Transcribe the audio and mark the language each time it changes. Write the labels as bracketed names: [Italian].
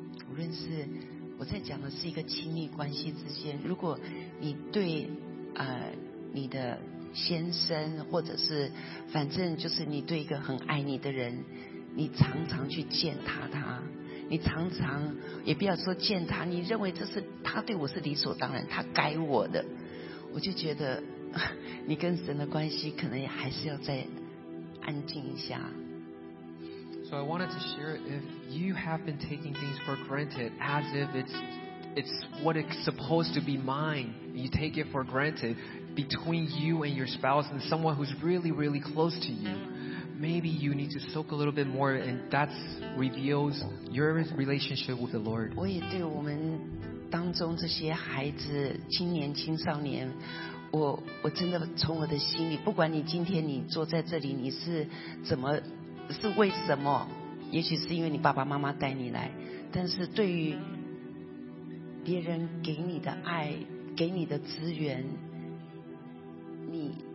[Chinese] 无论是我在讲的是一个亲密关系之间，如果你对你的先生，或者是反正就是你对一个很爱你的人，你常常去践踏他，你常常也不要说践踏，你认为这是他对我是理所当然，他该我的，我就觉得你跟神的关系可能也还是要再安静一下。 [English] So I wanted to share, if you have been taking things for granted as if it's what it's supposed to be mine, you take it for granted between you and your spouse and someone who's really, really close to you, maybe you need to soak a little bit more, and that reveals your relationship with the Lord. [Chinese] 我也对我们当中这些孩子，青年青少年，我真的从我的心里，不管你今天你坐在这里，你是怎么是为什么，也许是因为你爸爸妈妈带你来，但是对于别人给你的爱，给你的资源，你